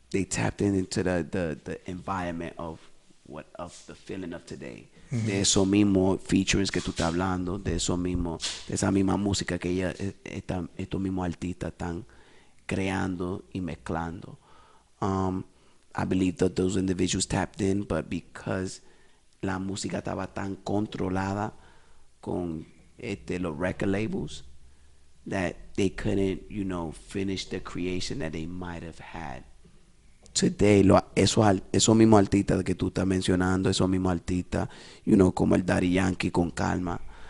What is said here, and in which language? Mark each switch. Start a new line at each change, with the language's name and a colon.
English: They tapped into the environment of the feeling of today.
Spanish: De eso mismo featurings que tú estás hablando, de eso mismo, de esa misma música que ella está, estos mismos artistas están creando y mezclando.
English: I believe that those individuals tapped in, but because
Spanish: la música estaba tan controlada con los
English: record labels, that they couldn't, finish the creation that they might have had. Today,
Spanish: esos mismos artistas que tú estás mencionando, esos mismos artistas, como el Daddy Yankee con Calma.